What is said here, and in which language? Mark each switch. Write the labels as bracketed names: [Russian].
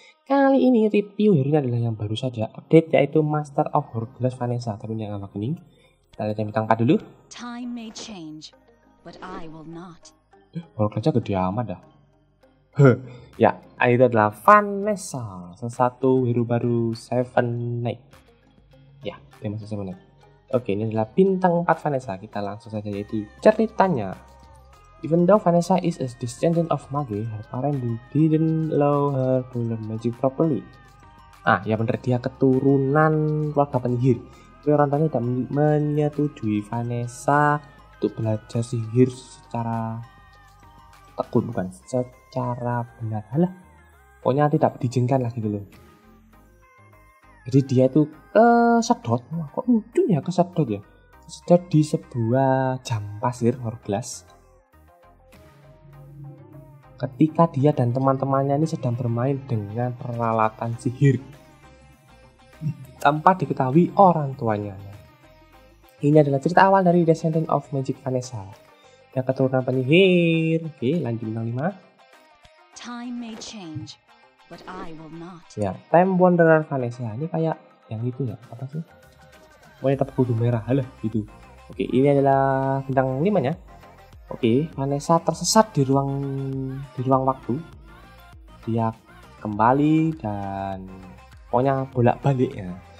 [Indonesian] Kali ini review hari ini adalah yang baru saja update, yaitu Master of Hourglass Vanessa. Tapi ini yang apa ini? Kita lihat yang bintang 4 dulu. [English] Time may change, but I will not. [Indonesian] Hourglass-nya gede amat dah. Ya, itu adalah Vanessa, sesatu hero baru Seven Knight. Ya, dia masuk Seven Knight. Oke, ini adalah bintang 4 Vanessa. Kita langsung saja jadi ceritanya. [English] Even though Vanessa is a descendant of Mage, her parents didn't allow her to learn magic properly. [Indonesian] Ah, ya benar, dia keturunan keluarga penyihir. Tapi orang tuanya tidak menyetujui Vanessa untuk belajar sihir secara tekun, bukan secara benar. Halah, pokoknya tidak diizinkan lagi dulu. Jadi dia itu kesedot. Wah, kok lucu ya kesedot ya? Kesedot di sebuah jam pasir, hourglass. Ketika dia dan teman-temannya ini sedang bermain dengan peralatan sihir tanpa diketahui orang tuanya. Ini adalah cerita awal dari Descendant of Magic Vanessa, yang keturunan penyihir. Oke, lanjut bintang 5. [English] Time may change, but I will not. [Indonesian] Ya, Time Wanderer Vanessa. Ini kayak yang itu ya, apa sih? Wanita berkudung merah, halah gitu. Oke, ini adalah bintang 5 nya. Oke, Vanessa tersesat di ruang waktu. Dia kembali dan pokoknya bolak-balik ya.